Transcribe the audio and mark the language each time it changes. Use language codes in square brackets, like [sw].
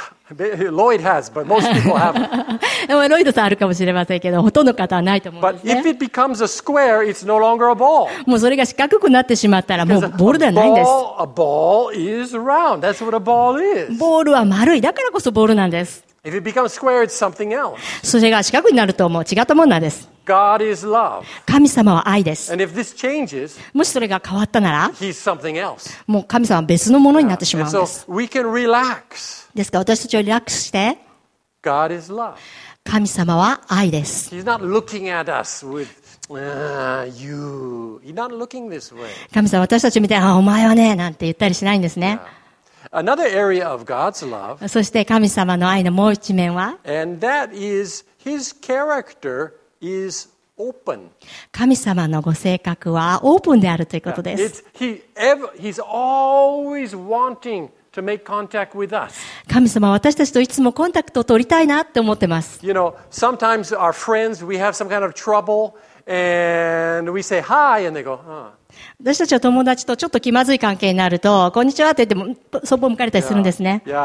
[en] ロイドは、but most people haven't. [ja] ロイドさんあるかもしれませんけど、ほとんどの方はないと思うんですね。 [en] But if it becomes a square, it's no longer a ball. [ja] もうそれが四角くなってしまったら、もうボールではないんです。 [en] A ball is round. That's what a ball is. [ja] ボールは丸い。だからこそボールなんです。 [en] If it becomes square, it's something else. [ja] それが四角になるともう違ったものなんです。 [en] God is love. [ja] 神様は愛です。 [en] And if this changes, [ja] もしそれが変わったなら、 [en] He's something else. [ja] もう神様は別のものになってしまうんです。 [en] And so we can relax. [ja] ですから私たちはリラックスして、 [en] God is love. [ja] 神様は愛です。 [en] He's not looking at us with, you. He's not looking this way. [ja] 神様は私たちを見て、あ、お前はね、なんて言ったりしないんですね。 [en] Yeah. Another area of God's love, [ja] そして神様の愛のもう一面は、 [en] and that is his character is open. [ja] 神様のご性格はオープンであるということです。 [en] He's always wanting to make contact with us. [ja] 神様は私たちといつもコンタクトを取りたいなって思ってます。 [en] You know, sometimes our friends, we have some kind of trouble, and we say hi, and they go, huh. [ja] 私たちは友達とちょっと気まずい関係になると、こんにちはって言っても、そぼ向かれたりするんですね。